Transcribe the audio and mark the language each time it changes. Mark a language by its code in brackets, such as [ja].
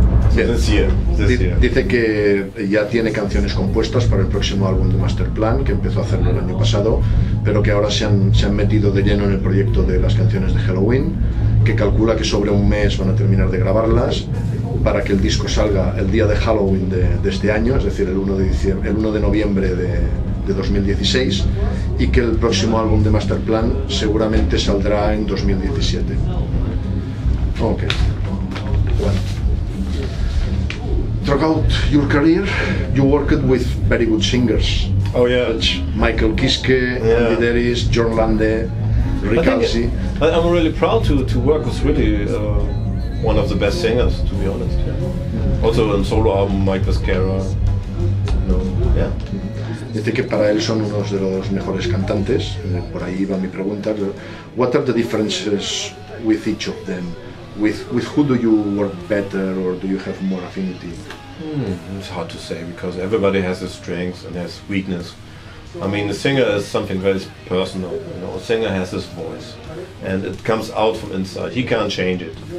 [es] Dice que ya tiene canciones compuestas para el próximo álbum de Masterplan, que empezó a hacerlo el año pasado, pero que ahora se han metido de lleno en el proyecto de las canciones de Halloween, que calcula que sobre un mes van a terminar de grabarlas para que el disco salga el día de Halloween de este año, es decir, el 1 de noviembre de 2016, y que el próximo álbum de Masterplan seguramente saldrá en 2017. Ok. Bueno. [en] Throughout your career, you worked with very good singers. Oh yeah, which Michael Kiske, yeah. Andy Deris, John Lande, Rick Alsi. I'm really proud to work with really one of the best singers, to be honest. Yeah. Also on solo album, Mike Vescara. No, yeah. [es] Dice que para él son unos de los mejores cantantes. Por ahí va mi pregunta. [en] What are the differences with each of them? With who do you work better, or do you have more affinity? It's hard to say, because everybody has his strengths and has weakness. I mean, the singer is something very personal, you know. A singer has his voice, and it comes out from inside. He can't change it.